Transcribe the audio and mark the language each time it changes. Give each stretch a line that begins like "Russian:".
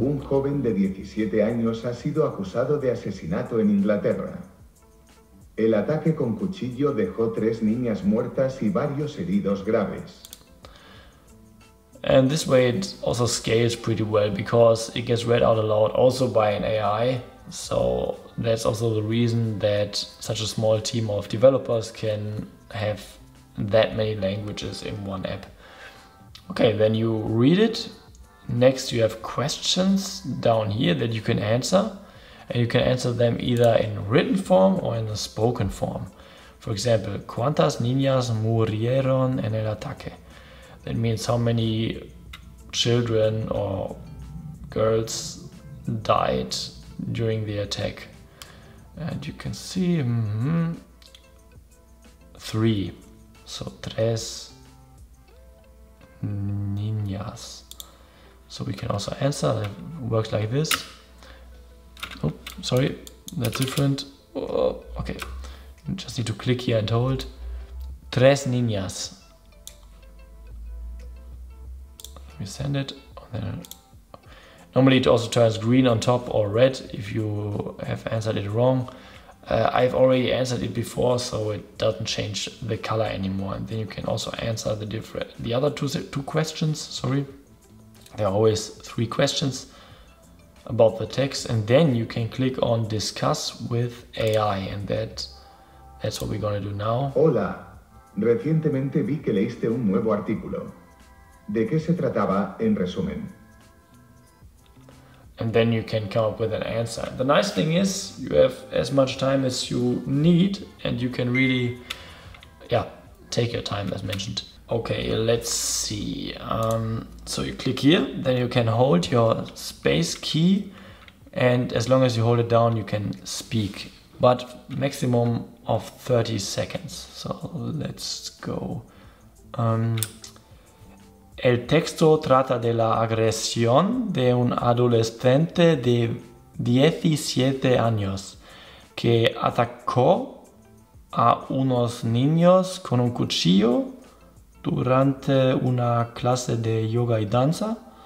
Spanish: Un joven de 17 años ha sido acusado de asesinato en Inglaterra. El ataque con cuchillo dejó tres niñas muertas y varios heridos graves.
English: And this way it also scales pretty well because it gets read out aloud also by an AI. So that's also the reason that such a small team of developers can have that many languages in one app. Okay, then you read it. Next, you have questions down here that you can answer. And you can answer them either in written form or in a spoken form. For example,
Spanish: ¿cuántas niñas murieron en el ataque?
English: That means how many children or girls died during the attack. And you can see, three.
Spanish: So, tres niñas.
English: So we can also answer, that works like this. Oh, sorry, that's different. Oh, okay, just need to click here and hold.
Spanish: Tres niñas.
English: Let me send it. Normally it also turns green on top or red if you have answered it wrong. I've already answered it before, so it doesn't change the color anymore. And then you can also answer the other two questions. Sorry, there are always three questions about the text, and then you can click on discuss with AI, and that's what we're gonna do now.
Spanish: Hola, recientemente vi que leíste un nuevo artículo. ¿De qué se trataba, en resumen?
English: And then you can come up with an answer. The nice thing is you have as much time as you need, and you can really, take your time as mentioned. Okay, let's see. So you click here, then you can hold your space key, and as long as you hold it down, you can speak, but maximum of 30 seconds. So let's go.
Spanish: El texto trata de la agresión de un adolescente de 17 años que atacó a unos niños con un cuchillo durante una clase de yoga y danza.